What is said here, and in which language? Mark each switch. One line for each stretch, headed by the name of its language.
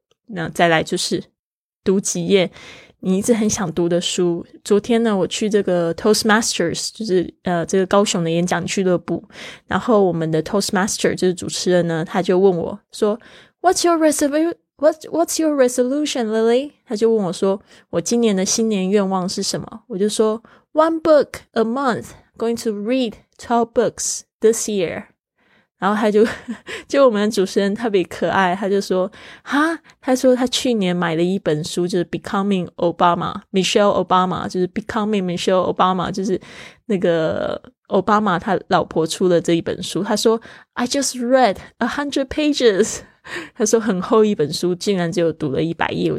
Chinese: 那再来就是读几页你一直很想读的书。昨天呢我去这个 Toastmasters， 就是这个高雄的演讲俱乐部，然后我们的 Toastmaster 就是主持人呢，他就问我说
English: What's your resolution, Lily?
Chinese: 他就问我说我今年的新年愿望是什么，我就说
English: One book a month, going to read 12 books this year。
Chinese: 然后他就我们的主持人特别可爱，他就说哈，他说他去年买了一本书，就是 Becoming Obama Michelle Obama， 就是 Becoming Michelle Obama， 就是那个奥巴马他老婆出了这一本书。他说
English: I just read 100 pages，
Chinese: 他说很厚一本书竟然只有读了100页。